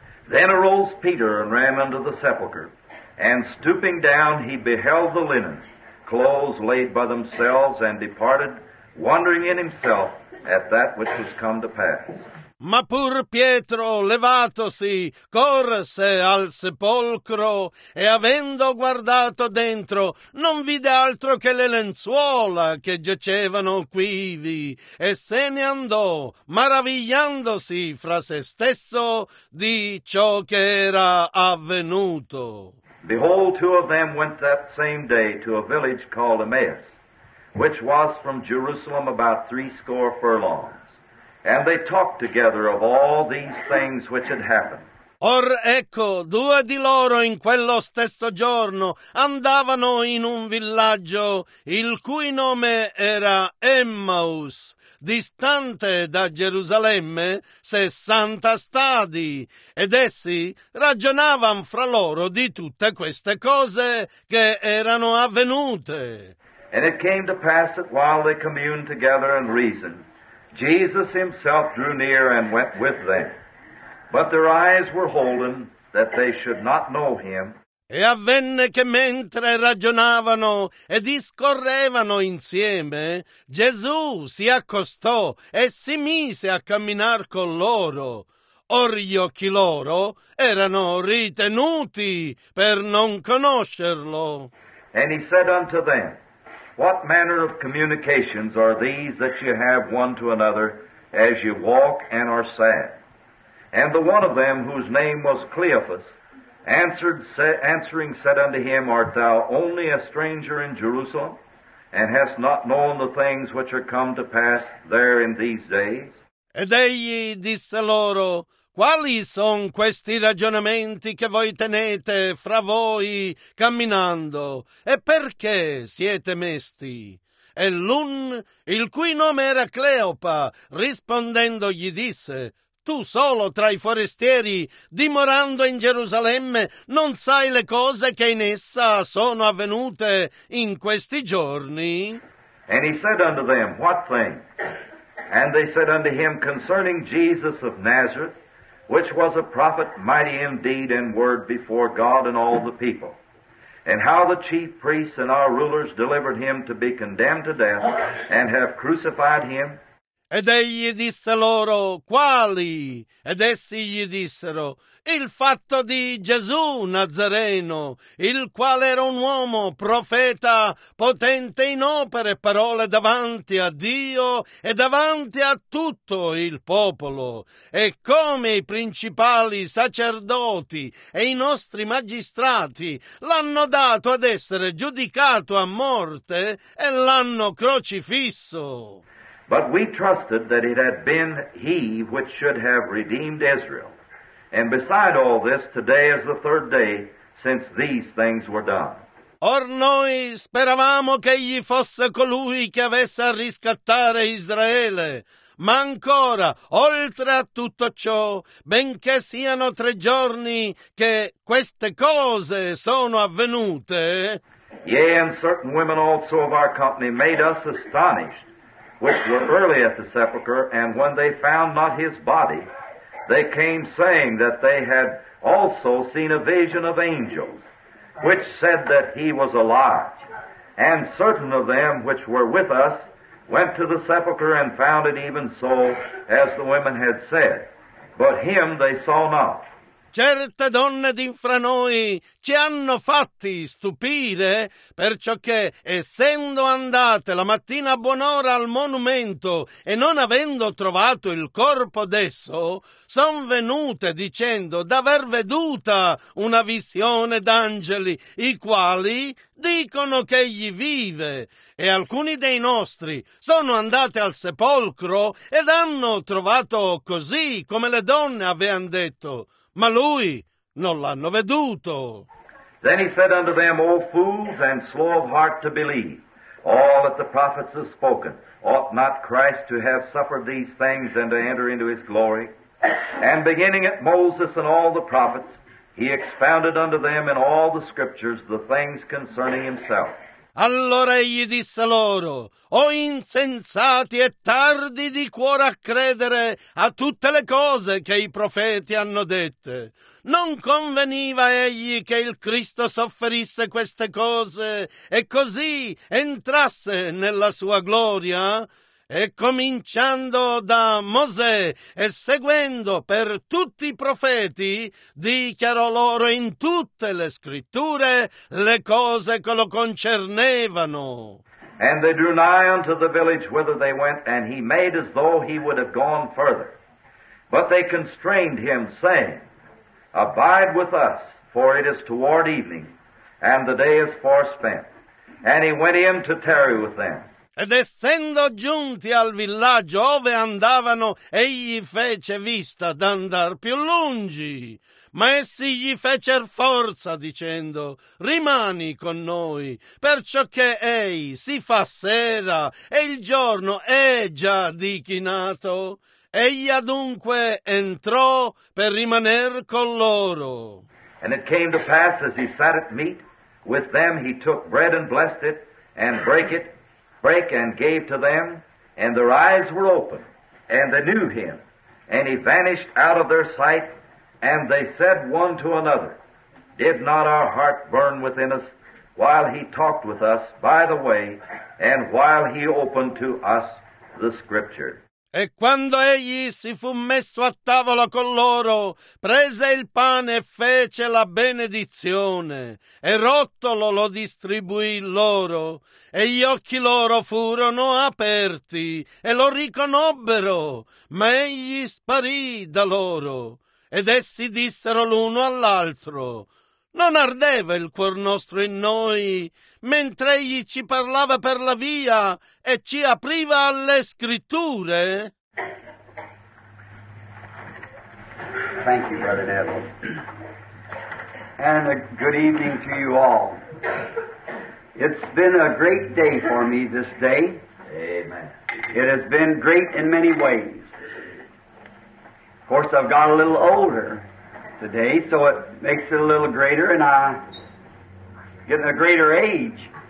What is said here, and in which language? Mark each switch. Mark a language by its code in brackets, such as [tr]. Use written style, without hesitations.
[en] Then arose Peter and ran unto the sepulcher, and stooping down he beheld the linen, clothes laid by themselves, and departed, wondering in himself at that which was come to pass. [it] Ma pur Pietro, levatosi, corse al sepolcro, e avendo guardato dentro, non vide altro che le lenzuola che giacevano quivi, e se ne andò, maravigliandosi fra se stesso di ciò che era avvenuto. [en] Behold, two of them went that same day to a village called Emmaus, which was from Jerusalem about 70 furlongs. And they talked together of all these things which had happened. [it] Or ecco, due di loro in quello stesso giorno andavano in un villaggio il cui nome era Emmaus, distante da Gerusalemme 60 stadi, ed essi ragionavano fra loro di tutte queste cose che erano avvenute. [en] And it came to pass that while they communed together and reasoned, Jesus himself drew near and went with them. But their eyes were holden that they should not know him. [it] E avvenne che mentre ragionavano e discorrevano insieme, Gesù si accostò e si mise a camminar con loro. Or gli occhi loro erano ritenuti per non conoscerlo. [en] And he said unto them, What manner of communications are these that you have one to another as you walk and are sad? And the one of them, whose name was Cleophas, answering, said unto him, Art thou only a stranger in Jerusalem, and hast not known the things which are come to pass there in these days? [it] Ed egli disse loro, Quali son questi ragionamenti che voi tenete fra voi camminando, e perché siete mesti? E l'un, il cui nome era Cleopa, rispondendo gli disse, Tu solo tra i forestieri, dimorando in Gerusalemme, non sai le cose che in essa sono avvenute in questi giorni? [en] And he said unto them, What thing? And they said unto him, Concerning Jesus of Nazareth, which was a prophet mighty in deed and word before God and all the people, and how the chief priests and our rulers delivered him to be condemned to death and have crucified him. [it] Ed egli disse loro, Quali? Ed essi gli dissero, Il fatto di Gesù Nazareno, il quale era un uomo profeta, potente in opere e parole davanti a Dio e davanti a tutto il popolo, e come i principali sacerdoti e i nostri magistrati l'hanno dato ad essere giudicato a morte e l'hanno crocifisso. [en] But we trusted that it had been he which should have redeemed Israel. And beside all this, today is the third day since these things were done. [it] Or noi speravamo che egli fosse colui che avesse a riscattare Israele. Ma ancora, oltre a tutto ciò, benché siano tre giorni che queste cose sono avvenute. [en] Yea, and certain women also of our company made us astonished. Which were early at the sepulchre, and when they found not his body, they came saying that they had also seen a vision of angels, which said that he was alive. And certain of them which were with us went to the sepulchre and found it even so as the women had said, but him they saw not. [it] Certe donne d'infra noi ci hanno fatti stupire, perciò che, essendo andate la mattina a buon'ora al monumento e non avendo trovato il corpo d'esso, son venute dicendo d'aver veduta una visione d'angeli, i quali dicono che egli vive, e alcuni dei nostri sono andate al sepolcro ed hanno trovato così come le donne avean detto. Ma lui non l'hanno veduto. [en] Then he said unto them, O fools and slow of heart to believe, all that the prophets have spoken, ought not Christ to have suffered these things and to enter into his glory? And beginning at Moses and all the prophets, he expounded unto them in all the scriptures the things concerning himself. [it] Allora egli disse loro, O insensati e tardi di cuore a credere a tutte le cose che i profeti hanno dette. Non conveniva egli che il Cristo sofferisse queste cose e così entrasse nella sua gloria? E cominciando da Mosè e seguendo per tutti i profeti, dichiarò loro in tutte le scritture le cose che lo concernevano. [en] And they drew nigh unto the village whither they went, and he made as though he would have gone further. But they constrained him, saying, Abide with us, for it is toward evening, and the day is far spent. And he went in to tarry with them. [it] Ed essendo giunti al villaggio ove andavano, egli fece vista d'andar più lungi. ma essi gli fecer forza, dicendo: rimani con noi, perciò che ei si fa sera e il giorno è già dichinato. Egli adunque entrò per rimaner con loro. [en] And it came to pass, as he sat at meat with them, he took bread and blessed it, and brake and gave to them, and their eyes were open, and they knew him, and he vanished out of their sight, and they said one to another, did not our heart burn within us while he talked with us by the way, and while he opened to us the Scripture? [it] E quando egli si fu messo a tavola con loro, prese il pane e fece la benedizione, e rottolo lo distribuì loro, e gli occhi loro furono aperti, e lo riconobbero, ma egli sparì da loro, ed essi dissero l'uno all'altro: non ardeva il cuor nostro in noi, mentre egli ci parlava per la via e ci apriva alle Scritture? [en] Thank you, Brother Neville. And a good evening to you all. It's been a great day for me this day. Amen. It has been great in many ways. Of course, I've got a little older today, so it makes it a little greater, and I'm getting a greater age.